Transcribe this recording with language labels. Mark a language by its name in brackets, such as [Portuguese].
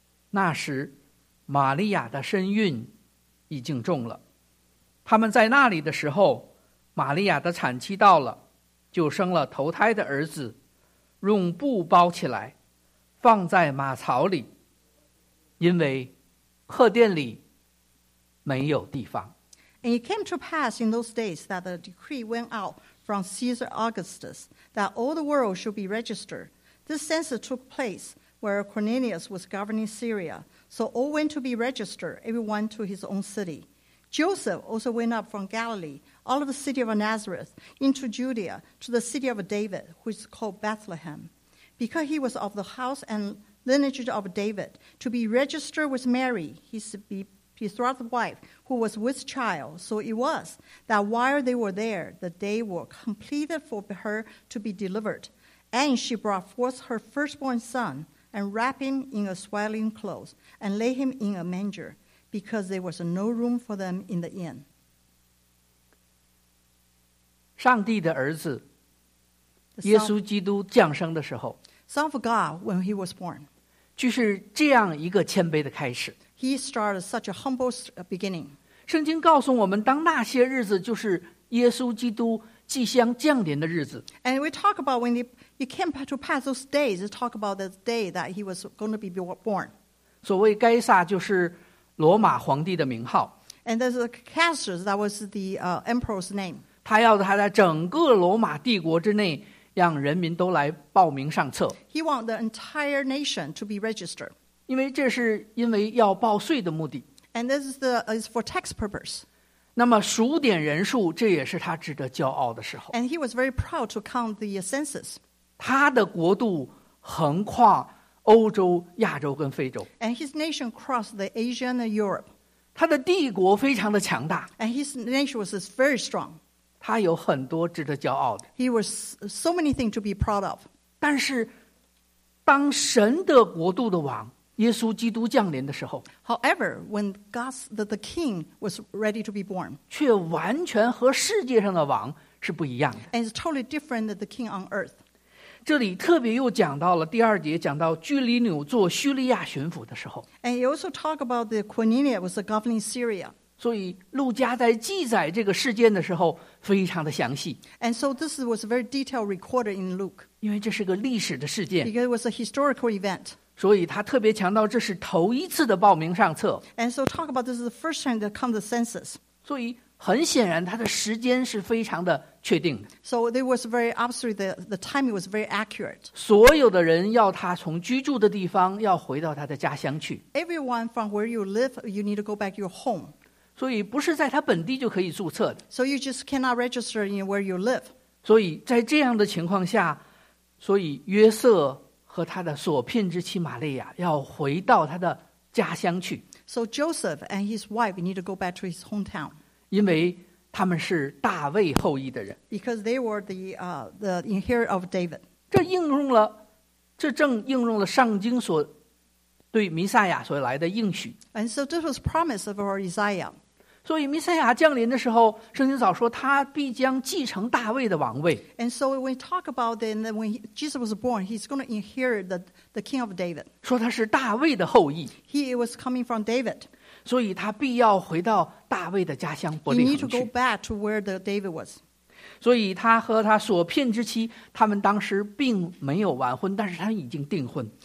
[Chinese] 那时玛利亚的身孕已经重了，他们在那里的时候，玛利亚的产期到了，就生了头胎的儿子，用布包起来放在马槽里，因为客店里没有地方。 [English] And it came to pass in those days that the decree went out from Caesar Augustus that all the world should be registered. This census took place where Cornelius was governing Syria. So all went to be registered, everyone to his own city. Joseph also went up from Galilee, out of the city of Nazareth, into Judea, to the city of David, which is called Bethlehem. Because he was of the house and lineage of David, to be registered with Mary, his betrothed wife, who was with child. So it was that while they were there, the day was completed for her to be delivered. And she brought forth her firstborn son, and wrapped him in a swaddling cloth, and laid him in a manger, because there was no room for them in the inn. [Chinese] 上帝的儿子耶稣基督降生的时候 [English] Son of God when he was born [Chinese] 就是这样一个谦卑的开始。 [English] He started such a humble beginning. [Chinese] 圣经告诉我们当那些日子就是耶稣基督即将降临的日子。 [English] And we talk about when he came to pass those days, talk about the day that he was going to be born. [Chinese] 所谓该撒就是罗马皇帝的名号。 [English] And there's a Caesar that was the emperor's name. [Chinese] 他要他在整个罗马帝国之内让人民都来报名上册。 [English] He wants the entire nation to be registered. [Chinese] 因为这是因为要报税的目的。 [English] And this is for tax purpose. [Chinese] 那么数点人数，这也是他值得骄傲的时候。 [English] And he was very proud to count the census. [Chinese] 他的国度横跨欧洲、亚洲跟非洲。 [English] And his nation crossed the Asia and Europe. [Chinese] 他的帝国非常的强大。 [English] And his nation was very strong. [Chinese] 他有很多值得骄傲的。 [English] He was so many things to be proud of. [Chinese] 但是，当神的国度的王耶稣基督降临的时候 [English] However, when God's, the king was ready to be born, [Chinese] 却完全和世界上的王是不一样的 [English] And it's totally different than the king on earth. [Chinese] 这里特别又讲到了第二节讲到居里纽做叙利亚巡抚的时候 [English] And he also talked about the Cornelius was governing Syria. [Chinese] 所以路加在记载这个事件的时候非常的详细 [English] And so this was very detailed recorded in Luke. [Chinese] 因为这是个历史的事件 [English] Because it was a historical event. [Chinese] 所以他特别强调这是头一次的报名上册 [English] And so talk about this is the first time that comes the census [Chinese] 所以很显然他的时间是非常的确定的 [English] So there was very absolutely the timing was very accurate [Chinese] 所有的人要他从居住的地方要回到他的家乡去 [English] Everyone from where you live you need to go back to your home [Chinese] 所以不是在他本地就可以注册的 [English] So you just cannot register in where you live [Chinese] 所以在这样的情况下所以约瑟和他的所聘之妻玛利亚要回到他的家乡去。 [English] So Joseph and his wife need to go back to his hometown. [Chinese] 因为他们是大卫后裔的人。 [English] Because they were the inherit of David. [Chinese] 这正应用了上经所对弥赛亚所来的应许。 [English] And so this was promise of our Isaiah. [Chinese] 所以弥赛亚降临的时候，圣经早说他必将继承大卫的王位。 [English] And so when we talk about then when Jesus was born, he's going to inherit the king of David. [Chinese] 说他是大卫的后裔。 [English] He was coming from David. [Chinese] 所以他必要回到大卫的家乡伯利恒去。 [English] He need to go back to where the David was. [Chinese] 所以他和他所聘之妻，他们当时并没有完婚，但是他已经订婚。